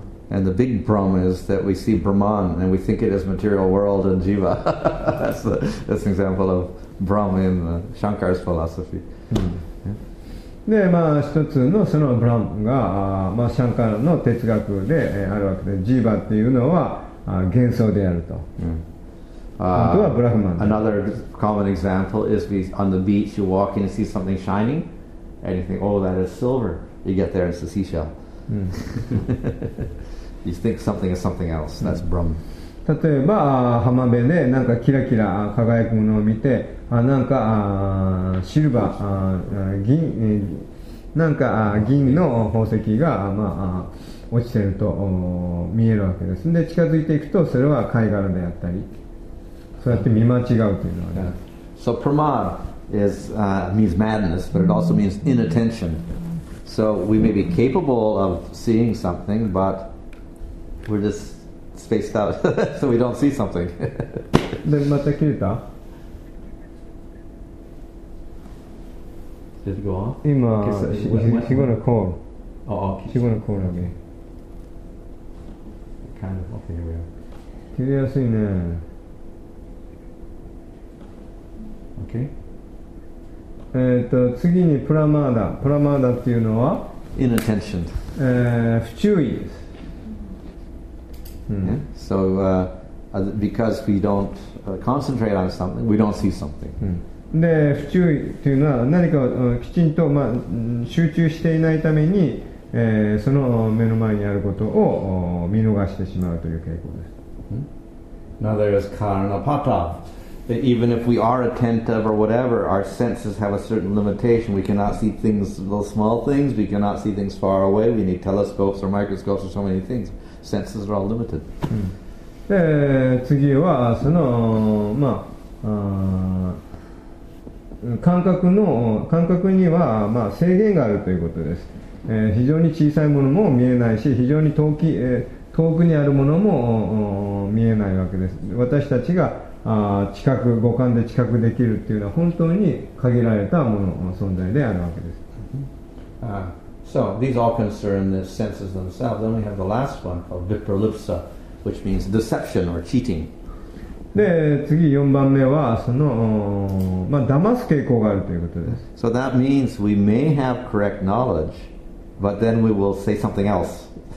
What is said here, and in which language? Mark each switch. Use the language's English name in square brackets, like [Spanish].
[English] And the big problem is that we see Brahman and we think it is material world and jiva. that's an example of Brahman in Shankar's philosophy. [Japanese] で、まあ一つのそのブラムが、まあシャンカラの哲学であるわけで、ジーバっていうのは幻想であると。本当はブラフマン。 [English] Another common example is on the beach you walk in and see something shining and you think, oh, that is silver. You get there and it's a seashell. You think something is something else. That's Brahm. [Japanese] 例えば浜辺でなんかキラキラ輝くものを見て、なんかシルバー、銀、なんか銀の宝石が、まあ、落ちてると見えるわけです。で近づいていくとそれは貝殻であったり、そうやって見間違うというのは。 [English] So pramad is means madness, but it also means inattention. So we may be capable of seeing something, but we're just spaced out, so we don't see something. [Japanese] で、また切れた？ [English] Did it go off? [Japanese] 今、日後のコール。日後のコールだけ。 [English] Kind of off anyway. [Japanese] 切れやすいね。 [English] Okay. [Japanese] 次にプラマーダ。プラマーダっていうのは？ [English] Inattention. [Japanese] 不注意です。 [English] Mm-hmm. Yeah. So because we don't concentrate on something, we don't see something. [Japanese] で、不注意というのは何かきちんと、まあ、集中していないために、その目の前にあることを見逃してしまうという傾向です。 [English] Now there is karana pata. Even if we are attentive or whatever, our senses have a certain limitation. We cannot see things, those small things. We cannot see things far away. We need telescopes or microscopes or so many things. Senses are all limited. [Japanese] で、次はその、まあ、感覚には、まあ、制限があるということです。非常に小さいものも見えないし、非常に遠くにあるものも見えないわけです。私たちが五感で知覚できるというのは本当に限られたものの存在であるわけです。 [English] So these all concern the senses themselves. Then we have the last one called vipralipsa, which means deception or cheating. [Japanese] で、次4番目はその、まあ、騙す傾向があるということです。 [English] So that means we may have correct knowledge, but then we will say something else.